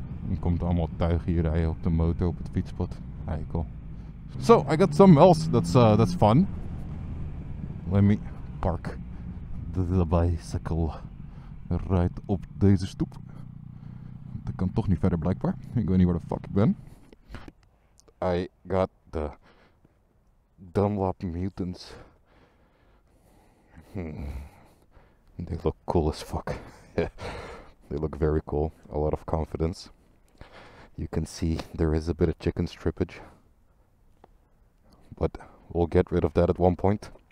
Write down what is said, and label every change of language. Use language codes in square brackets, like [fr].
[nl] Er komt allemaal tuig hier rijden op de motor op het fietspad. Eikel. [en] So, I got something else that's fun. Let me park the bicycle right [nl] op deze stoep. Want ik kan toch niet verder blijkbaar. Ik weet niet waar de fuck ik ben. [en] I got the Dunlop Mutants. They look cool as fuck. They look very cool. A lot of confidence. You can see there is a bit of chicken strippage. But we'll get rid of that at one point.